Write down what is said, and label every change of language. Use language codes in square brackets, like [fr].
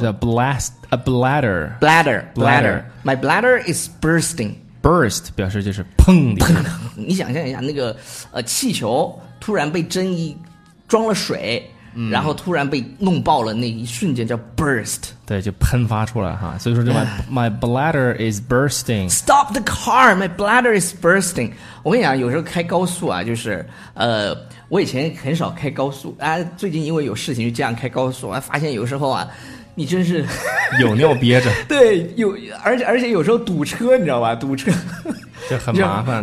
[zh] 叫 [en] blast a bladder。 bladder my bladder is bursting。 [zh] burst 表示就是砰的。你想象一下那个气球突然被针一装了水、嗯、然后突然被弄爆了，那一瞬间叫 [en] burst， [zh] 对，就喷发出来哈。所以说就 [en] my bladder is bursting， stop the car， my bladder is bursting。 [zh] 我跟你讲，有时候开高速啊，就是我以前很少开高速啊，最近因为有事情就这样开高速啊，发现有时候啊你真是有尿憋着对，有，而且有时候堵车你知道吧，堵车就很麻烦，